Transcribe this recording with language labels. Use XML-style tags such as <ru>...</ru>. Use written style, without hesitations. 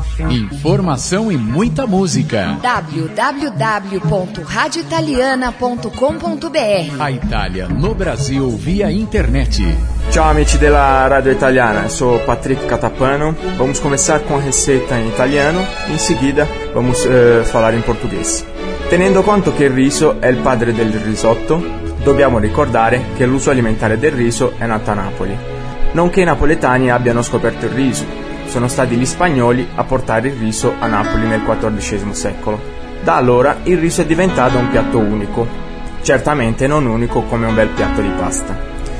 <pt>Informação e muita música. www.radioitaliana.com.br. A Itália no Brasil via internet.</pt> <it>Ciao amici della Radio Italiana,</it> <pt>sou</pt> <it>Patrick Catapano.</it> <pt>Vamos começar com a receita em italiano, em seguida vamos falar em português.</pt> <it>Tenendo conto che il riso è il padre del risotto, dobbiamo ricordare che l'uso alimentare del riso è nato a Napoli. Non che i napoletani abbiano scoperto il riso, sono stati gli spagnoli a portare il riso a Napoli nel XIV secolo. Da allora il riso è diventato un piatto unico, certamente non unico come un bel piatto di pasta.</it>